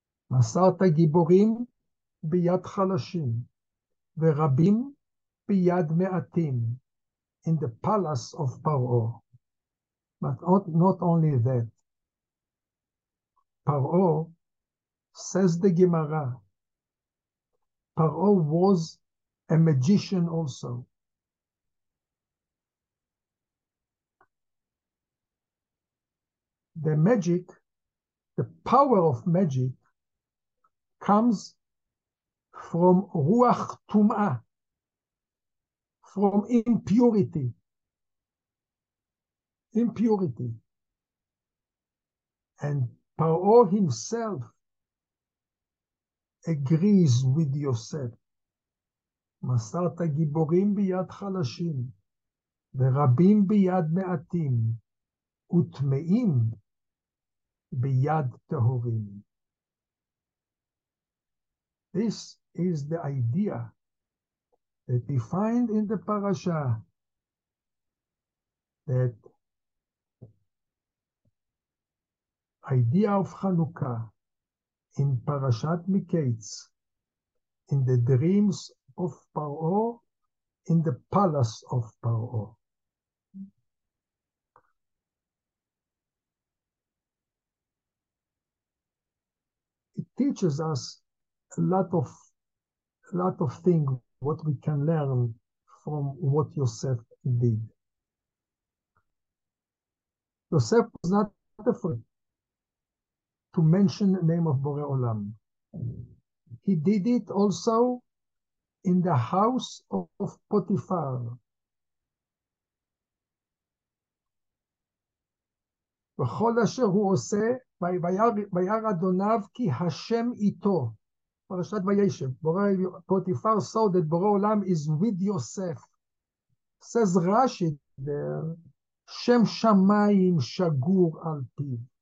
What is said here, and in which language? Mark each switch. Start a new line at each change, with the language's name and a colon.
Hebrew: מסרת גיבורים ביד חלשים ורבים ביד מעטים
English: in the palace of Paro. But not only that. Paro, says the Gemara, Paro was a magician also. The magic, the power of magic, comes from ruach tum'a, from impurity. Impurity. And Paro himself agrees with Yosef.
Hebrew: Masart ha-giborim biyad chalashim, ורבים ביד מעטים, ותמאים ביד טהורים.
English: This is the idea that we find in the parasha, that idea of Hanukkah in Parashat Miketz, in the dreams of Paro, in the palace of Paro. It teaches us a lot of things, what we can learn from what Yosef did. Yosef was not afraid to mention the name of Borei Olam. He did it also in the house of Potiphar.
Hebrew: וכל אשר הוא עושה, וירא אדוניו כי השם איתו.
English: פרשת וישב, בורא פוטיפר saw that בורא עולם is with Yosef. Says Rashi there,
Hebrew: שם שמיים שגור על פיו.